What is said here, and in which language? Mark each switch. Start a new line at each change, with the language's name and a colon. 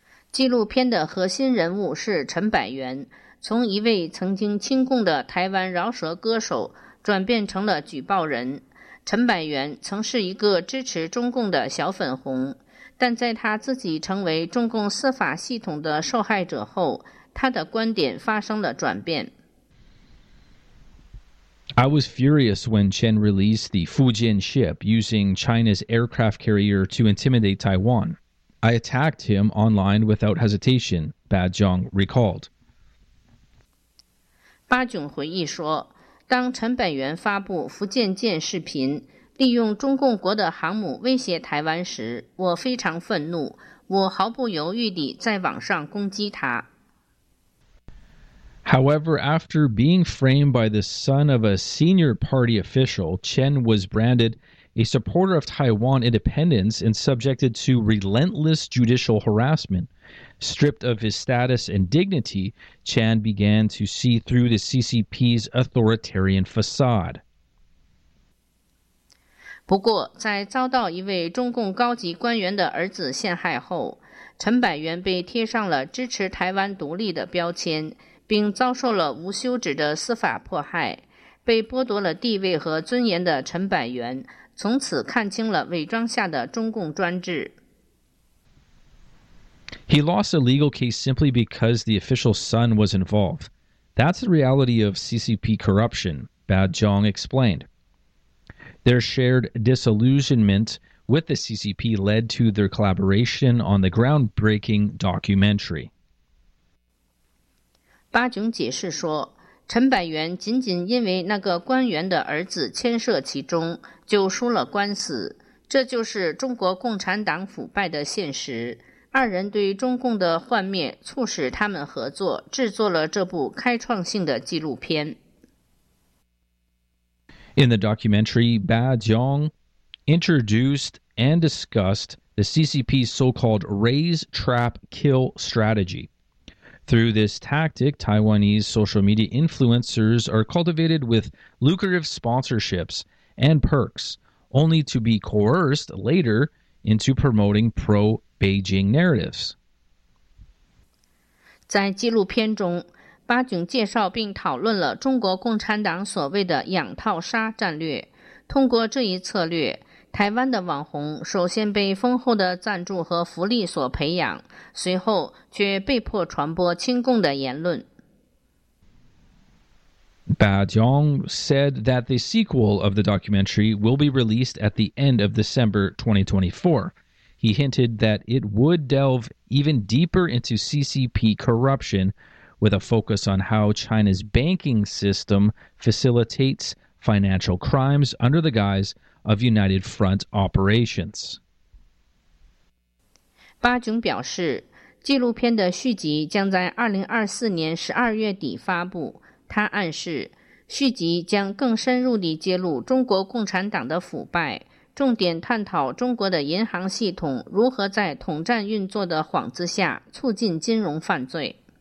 Chinese: 纪录片的核心人物是陈百元，从一位曾经亲共的台湾饶舌歌手转变成了举报人。陈百元曾是一个支持中共的小粉红，但在他自己成为中共司法系统的受害者后，他的观点发生了转变。
English: I was furious when Chen released the Fujian ship using China's aircraft carrier to intimidate Taiwan. I attacked him online without hesitation, Ba Zhong recalled.
Chinese: 巴炯回忆说，当陈本元发布福建舰视频，利用中共国的航母威胁台湾时，我非常愤怒，我毫不犹豫地在网上攻击他。
English: However, after being framed by the son of a senior party official, Chen was branded a supporter of Taiwan independence and subjected to relentless judicial harassment. Stripped of his status and dignity, Chen began to see through the CCP's authoritarian facade.
Chinese: 不过，在遭到一位中共高级官员的儿子陷害后，陈百元被贴上了支持台湾独立的标签，并遭受了无休止的司法迫害。被剥夺了地位和尊严的陈百元，从此看清了伪装下的中共专制。
English: He lost a legal case simply because the official's son was involved. That's the reality of CCP corruption, Ba Zhong explained. Their shared disillusionment with the CCP led to their collaboration on the groundbreaking documentary.
Chinese: 巴炯解释说，陈百元仅仅因为那个官员的儿子牵涉其中，就输了官司，这就是中国共产党腐败的现实。二人对中共的幻灭促使他们合作，制作了这部开创性的纪录片。
English: In the documentary, Ba Zhong introduced and discussed the CCP's so-called raise, trap, kill strategy. Through this tactic, Taiwanese social media influencers are cultivated with lucrative sponsorships and perks, only to be coerced later into promoting pro-Beijing narratives.
Chinese: 在纪录片中，巴炯介绍并讨论了中国共产党所谓的“养套杀”战略。通过这一策略，台湾的网红首先被丰厚的赞助和福利所培养，随后却被迫传播亲共的言论。
English: Ba Zhong said that the sequel of the documentary will be released at the end of December 2024. He hinted that it would delve even deeper into CCP corruption, with a focus on how China's banking system facilitates financial crimes under the guiseOf United Front Operations.
Chinese: 巴炯表示，纪录片的续集将在2024年12月底发布。他暗示，续集将更深入地揭露中国共产党的腐败，重点探讨中国的银行系统如何在统战运作的幌子下促进金融犯罪。